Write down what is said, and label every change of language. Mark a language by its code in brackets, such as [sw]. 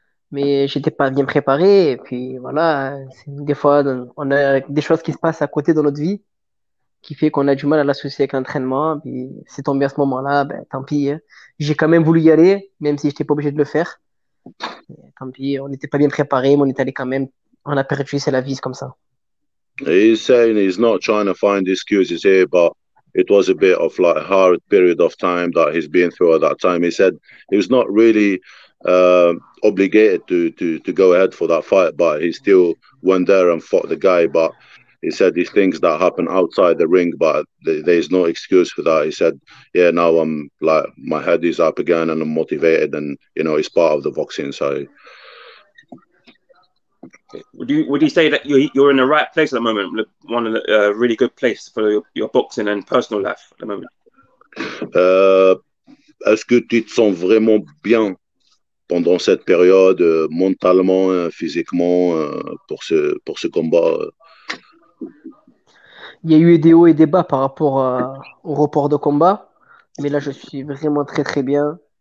[fr] Mais j'étais pas bien préparé. Et puis voilà, des fois, on a des choses qui se passent à côté dans notre vie qui fait qu'on a du mal à l'associer avec l'entraînement. Puis c'est tombé à ce moment-là, ben tant pis. Hein. J'ai quand même voulu y aller, même si j'étais pas obligé de le faire. Mais, tant pis, on n'était pas bien préparé, mais on est allé quand même. On a perdu, c'est la vie, c'est comme ça. [en] He's saying he's not trying to find excuses here, but it was a bit of like a hard period of time that he's been through at that time. He said he was not really obligated to go ahead for that fight, but he still went there and fought the guy. But he said these things that happen outside the ring, but there's no excuse for that. He said, yeah, now I'm like my head is up again and I'm motivated, and it's part of the boxing, so. Would you say that you're in the right place at the moment, one of the really good place for your boxing and personal life at the moment? At the [fr] est-ce que tu te sens vraiment bien pendant cette période, mentalement, physiquement, pour ce combat? Il y a eu des hauts et des bas par rapport au report de combat, mais là je suis vraiment très très bien.